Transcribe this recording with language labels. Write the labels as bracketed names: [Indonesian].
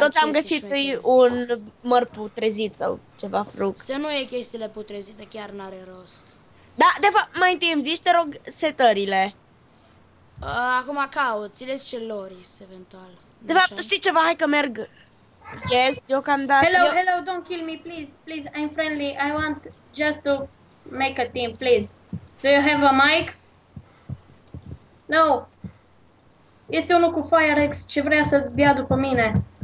[Romanian] tot ce am găsit e un măr putrezit sau ceva fruct. Să nu iei chestiile putrezite, chiar n-are rost. Da, de fapt, mai întâi îmi zici, te rog, setările. Acum caut, ți le zice Loris, eventual. De fapt, tu știi ceva, hai că merg. [English] Yes, [Romanian] deocamdată... [English] Hello, hello, don't kill me, please, please, I'm friendly, I want just to make a team, please. Do you have a mic? No. [Romanian] Este unul cu Firex ce vrea să dea după mine.